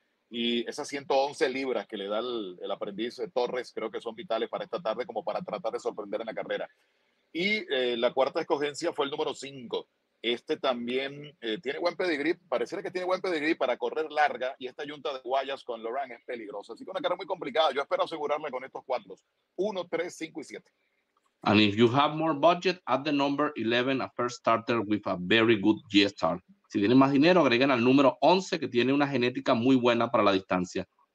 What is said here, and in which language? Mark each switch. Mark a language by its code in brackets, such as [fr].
[es] Y esas 111 libras que le da el aprendiz Torres creo que son vitales para esta tarde como para tratar de sorprender en la carrera. Y la cuarta escogencia fue el número 5. Este también tiene buen pedigrí, pareciera que tiene buen pedigrí para correr larga y esta yunta de guayas con Laurent es peligrosa. Así que una carrera muy complicada, yo espero asegurarme con estos 4, 1, 3, 5 y 7. [en] And if you have more budget, add the number 11, a first starter with a very good G-Star. [es] Si tienen más dinero, agreguen al número 11, que tiene una genética muy buena para la distancia.